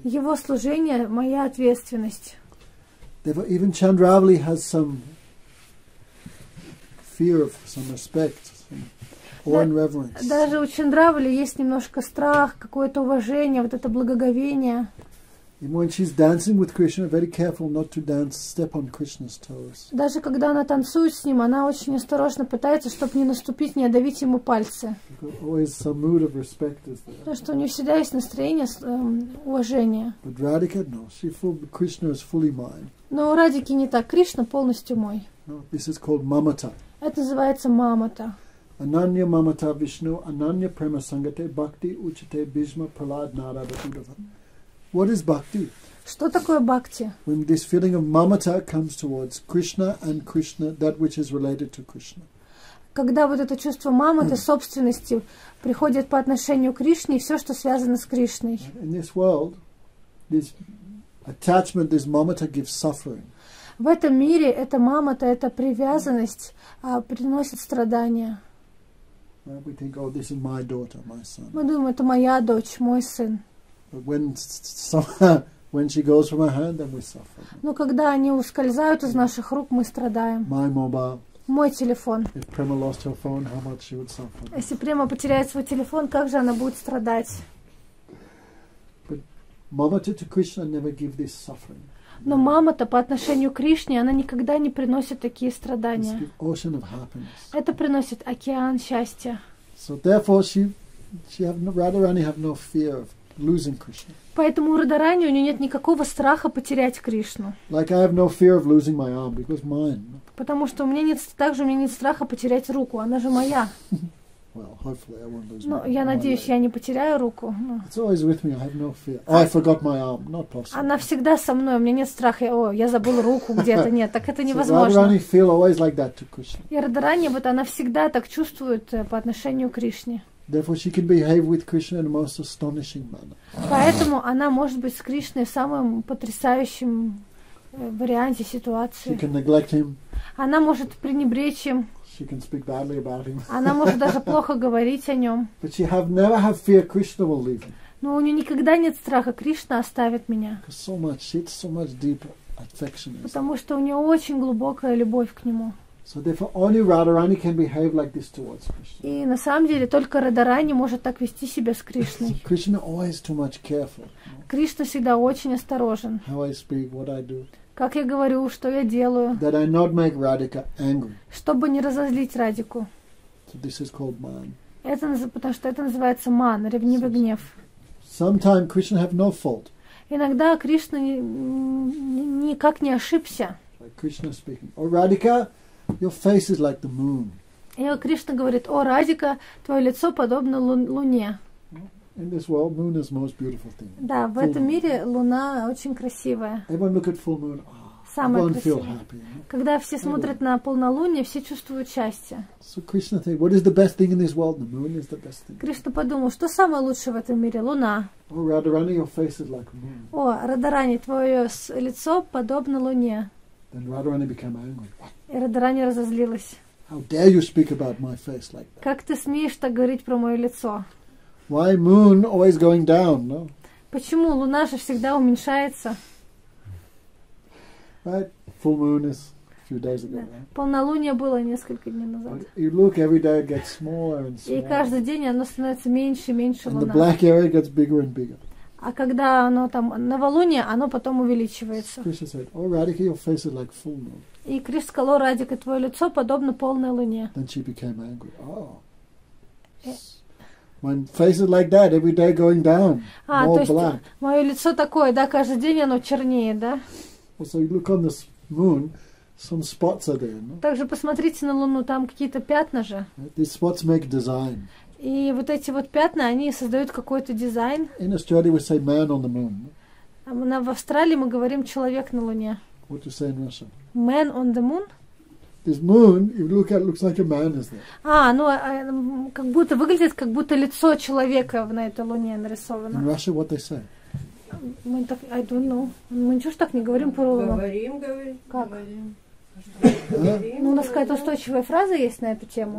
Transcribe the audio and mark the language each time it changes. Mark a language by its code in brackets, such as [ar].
[ru] Его служение моя ответственность. [en] Therefore, even Chandravali has some fear of some respect, some awe and reverence. [ru] Даже у Чандравали есть немножко страх, какое-то уважение, вот это благоговение. [en] Even when she's dancing with Krishna, very careful not to dance, step on Krishna's toes. [ru] Даже когда она танцует с ним, она очень осторожно пытается, чтобы не наступить, не давить ему пальцы. [en] Because always some mood of respect is there. [ru] Потому что у нее всегда есть настроение уважения. [en] But Radhika, no, Krishna is fully mine. [ru] Но у Радики не так. Кришна полностью мой. [en] No, this is called Mamata. [ru] Это называется Мамата. [sa] Ананья Мамата Вишну, Ананья Према Сангате Бхакти Учите Бхишма Пралад Нарада Удава. [en] What is bhakti? [ru] Что такое бхакти? [en] When this feeling of mamata comes towards Krishna and Krishna, that which is related to Krishna. [ru] Когда вот это чувство мамата, собственности, приходит по отношению к Кришне и все, что связано с Кришной. [en] In this world, this attachment, this mamata gives suffering. [ru] В этом мире эта мамата, эта привязанность, приносит страдания. [en] We think, oh, this is my daughter, my son. [ru] Мы думаем, это моя дочь, мой сын. [en] But when she goes from our hand, then we suffer. [ru] Но когда они ускользают из наших рук, мы страдаем. [en] My mobile. [ru] Мой телефон. [en] If Prema lost her phone, how much she would suffer. [ru] Если Према потеряет свой телефон, как же она будет страдать? [en] But Mamata to Krishna never give this suffering. [ru] Но мама-то по отношению к Кришне, она никогда не приносит такие страдания. [en] It's the ocean of happiness. [ru] Это приносит океан счастья. [en] So therefore, she have no, Radharani have no fear of losing Krishna. [ru] Поэтому у Радарани у нее нет никакого страха потерять Кришну. [en] Like I have no fear of losing my arm because mine. [ru] Потому что у меня нет, также у меня нет страха потерять руку, она же моя. [en] Well, hopefully I won't lose no, my [ru] arm. Я надеюсь, [en] leg. [ru] Я не потеряю руку. [en] It's always with me. I have no fear. Oh, I forgot my arm. Not possible. [ru] Она всегда со мной. У меня нет страха. О, я забыл руку где-то. Нет, так это невозможно. [en] So Radharani feel always like that to Krishna. [ru] И Радарани вот она всегда так чувствует по отношению к Кришне. [en] Therefore, she can behave with Krishna in the most astonishing manner. [ru] Поэтому она может быть с Кришной в самом потрясающем варианте ситуации. [en] She can neglect him. [ru] Она может пренебречь им. [en] She can speak badly about him. [ru] Она может даже плохо говорить о нем. [en] But she have never have fear Krishna will leave him. [ru] Но у нее никогда нет страха, Кришна оставит меня. [en] So much, it's so much deep affection. [ru] Потому что у нее очень глубокая любовь к нему. [en] So therefore, only Radharani can behave like this towards Krishna. [ru] И на самом деле только Радхарани может так вести себя с Кришной. [en] Krishna always too much careful. [ru] Кришна всегда очень осторожен. [en] How I speak, what I do. [ru] Как я говорю, что я делаю. [en] That I not make Radhika angry. [ru] Чтобы не разозлить Радику. [en] So this is called man. [ru] Это потому что это называется ман, ревнивый гнев. [en] Sometimes Krishna have no fault. [ru] Иногда Кришна никак не ошибся. [en] Like Krishna speaking, oh Radhika. Your face is like the moon. [ru] И Кришна говорит: "О, Радика, твое лицо подобно луне." [en] In this world, moon is the most beautiful thing. [ru] Да, в этом мире луна очень красивая. [en] Everyone look at full moon. [ru] Самое красивое. Когда все смотрят на полнолуние, все чувствуют счастье. [en] So Krishna thinks, what is the best thing in this world? The moon is the best thing. [ru] Кришна подумал, что самое лучшее в этом мире? Луна. [en] Oh, Radharani, your face is like the moon. [ru] О, Радхарани, твое лицо подобно луне. [en] Then Radharani became angry. [ru] И Радхарани разозлилась. [en] How dare you speak about my face like that? [ru] Как ты смеешь так говорить про мое лицо? [en] Why moon always going down, no? [ru] Почему луна же всегда уменьшается? [en] Right? Full moon is a few days ago, right? [ru] Полнолуние было несколько дней назад. [en] But you look, every day it gets smaller and smaller. [ru] И каждый день оно становится меньше и меньше луна. [en] And the black area gets bigger and bigger. [ru] А когда оно там новолуние, оно потом увеличивается. [en] Said, oh, Radhika, your face is like full moon. [ru] И Кришна сказал: Радика, твое лицо подобно полной луне. [en] Then she became angry. Oh. When face is like that, every day going down. [ru] А, [en] more [ru] то есть [en] black. [ru] Мое лицо такое, да, каждый день оно чернее, да? [en] Well, so you look on this moon, some spots are there, no? [ru] Также посмотрите на луну, там какие-то пятна же. [en] These spots make design. [ru] И вот эти вот пятна, они создают какой-то дизайн. [en] In Australia we say man on the moon. [ru] А в Австралии мы говорим человек на луне. [en] What do you say in Russia? Man on the moon. This moon, if you look at it, looks like a man, is there? [ru] А, ну, как будто выглядит, как будто лицо человека на этой луне нарисовано. [en] In Russia, what they say? [ru] Мы так, [en] I don't know. [ru] Мы ничего ж так не говорим про луну. Говорим, говорим. Как? Говорим. Ну, у нас какая-то устойчивая фраза есть на эту тему?